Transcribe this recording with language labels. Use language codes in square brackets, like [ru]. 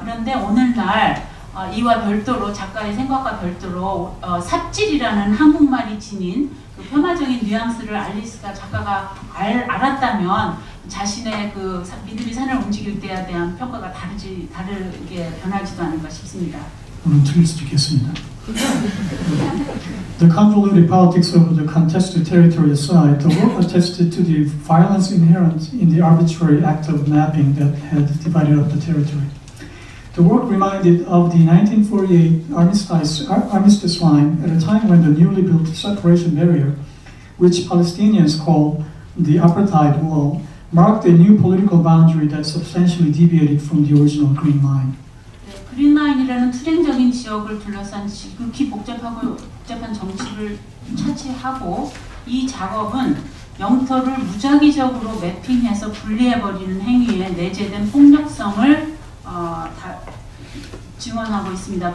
[ko] 그런데 오늘날 이와 별도로 작가의 생각과 별도로 삽질이라는 한국말이 지닌 그 폄하적인 뉘앙스를 알리스가 작가가 알았다면 자신의 그 믿음이 산을 움직일 때에 대한 평가가 다르게 변하지도 않을까 싶습니다. 오늘 틀릴 수도 있겠습니다. [en] The convoluted politics of the contested territory aside, the work attested to the violence inherent in the arbitrary act of mapping that had divided up the territory. The work reminded of the 1948 armistice line at a time when the newly built separation barrier, which Palestinians call the apartheid wall, marked a new political boundary that substantially deviated from the original green line. [ko] 그린 라인이라는 투쟁적인 지역을 둘러싼 지극히 복잡하고 복잡한 정치를 차치하고 이 작업은 영토를 무작위적으로 매핑해서 분리해버리는 행위에 내재된 폭력성을 증언하고 있습니다.